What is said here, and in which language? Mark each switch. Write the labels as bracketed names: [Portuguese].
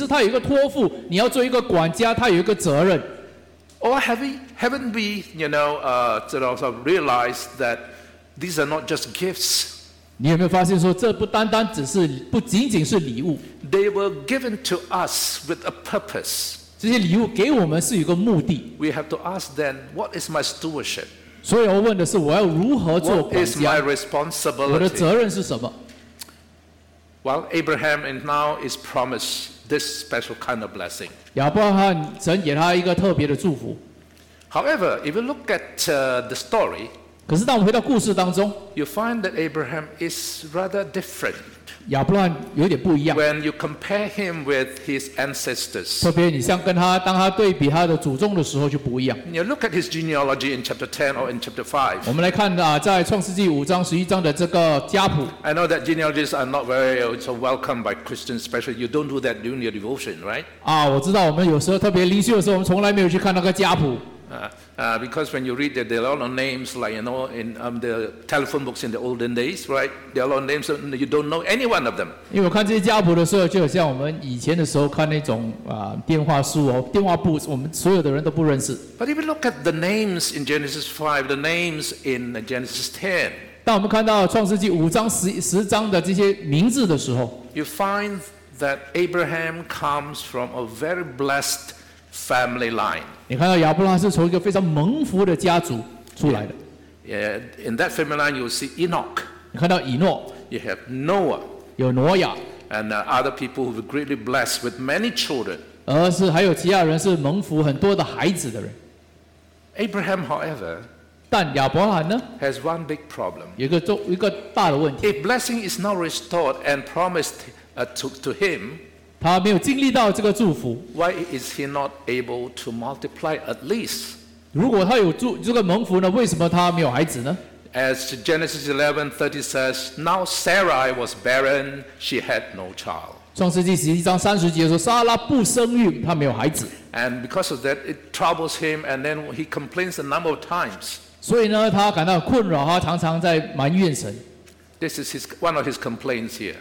[Chinese] 你有没有想过，你生命中领受的祝福，其实它有一个托付，你要做一个管家，它有一个责任。 [English] Or haven't we realized that these are not just gifts? [Chinese] 你有没有发现说，这不仅仅是礼物？ [English] They were given to us with a purpose. [Chinese] 这些礼物给我们是有个目的。 [English] We have to ask then, what is my stewardship? [Chinese] 所以我问的是，我要如何做管家？ [English] What is my responsibility? [Chinese] 我的责任是什么？ [English] Well, Abraham and now is promised this special kind of blessing. [Chinese] 亚伯拉罕，神给他一个特别的祝福。 [English] However, if you look at the story, [Chinese] 可是当我们回到故事当中 [English] ，you find that Abraham is rather different. [Chinese] 亚伯拉罕有点不一样。 [English] When you compare him with his ancestors, [Chinese] 特别你像跟他当他对比他的祖宗的时候就不一样。 [English] You look at his genealogy in chapter 10 or in chapter 5. [Chinese] 我们来看啊，在创世纪五章十一章的这个家谱。 [English] I know that genealogies are not very so welcomed by Christians, especially you don't do that during your devotion, right? [Chinese] 啊，我知道我们有时候特别灵修的时候，我们从来没有去看那个家谱。 [English] Because when you read that there are a lot of names like you know in the telephone books in the olden days, right? There are a lot of names and you don't know any one of them. [Chinese] 因为我看这些家谱的时候，就好像我们以前的时候看那种电话书哦，电话簿，我们所有的人都不认识。 [English] But if you look at the names in Genesis 5, the names in Genesis 10, [Chinese] 当我们看到创世纪五章十章的这些名字的时候 [English] ，you find that Abraham comes from a very blessed family line. [Chinese] 你看到亚伯拉是从一个非常蒙福的家族出来的。 [English] Yeah, in that family line, you see Enoch. [Chinese] 你看到以诺。 [English] You have Noah. [Chinese] 有挪亚。 [English] And other people who were greatly blessed with many children. [Chinese] 而是还有其他人是蒙福很多的孩子的人。 [English] Abraham, however, [Chinese] 但亚伯拉呢 [English] ？Has one big problem. [Chinese] 有一个大的问题。 [English] If blessing is not restored and promised to him. [Chinese] 他没有经历到这个祝福。 [English] Why is he not able to multiply at least? [Chinese] 如果他有这个蒙福呢？为什么他没有孩子呢 [English] ？As Genesis 11:30 says, now Sarai was barren; she had no child. [Chinese] 创世纪十一章三十节说，撒拉不生育，她没有孩子。 [English] And because of that, it troubles him, and then he complains a number of times. [Chinese] 所以呢，他感到困扰，他常常在埋怨神。 [English] This is one of his complaints here.